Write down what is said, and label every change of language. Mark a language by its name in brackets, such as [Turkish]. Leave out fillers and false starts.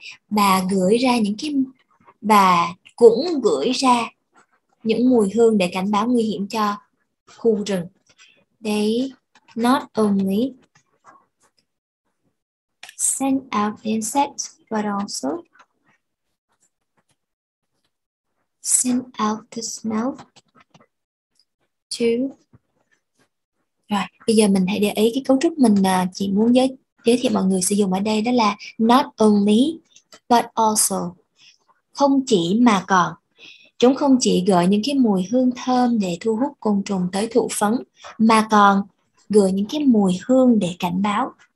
[Vietnamese] Bà gửi ra những cái, bà cũng gửi ra những mùi hương để cảnh báo nguy hiểm cho khu rừng. [English] They not only send out insects but also send out the smell to. [Vietnamese] Rồi, bây giờ mình hãy để ý cái cấu trúc mình chỉ muốn giới thiệu mọi người sử dụng ở đây, đó là not only but also, không chỉ mà còn. Chúng không chỉ gửi những cái mùi hương thơm để thu hút côn trùng tới thụ phấn, mà còn gửi những cái mùi hương để cảnh báo.